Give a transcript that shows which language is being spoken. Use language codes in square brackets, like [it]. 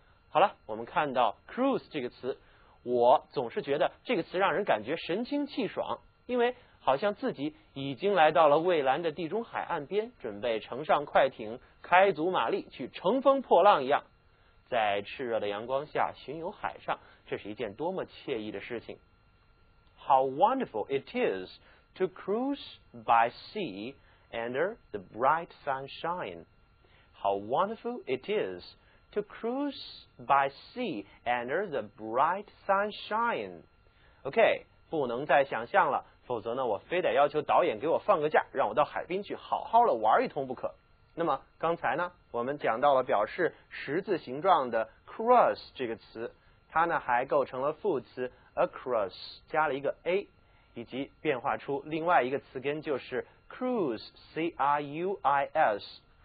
[zh] 好了，我们看到 cruise 这个词，我总是觉得这个词让人感觉神清气爽，因为好像自己已经来到了蔚蓝的地中海岸边，准备乘上快艇开足马力去乘风破浪一样，在炽热的阳光下巡游海上，这是一件多么惬意的事情。 [en] How wonderful it is to cruise by sea under the bright sunshine. How wonderful it is to cruise by sea under the bright sunshine. [zh] OK， 不能再想象了，否则呢，我非得要求导演给我放个假，让我到海边去好好的玩一通不可。那么刚才呢，我们讲到了表示十字形状的 cross 这个词，它呢还构成了副词 across， 加了一个 a， 以及变化出另外一个词根，就是 cruise， c r u i s。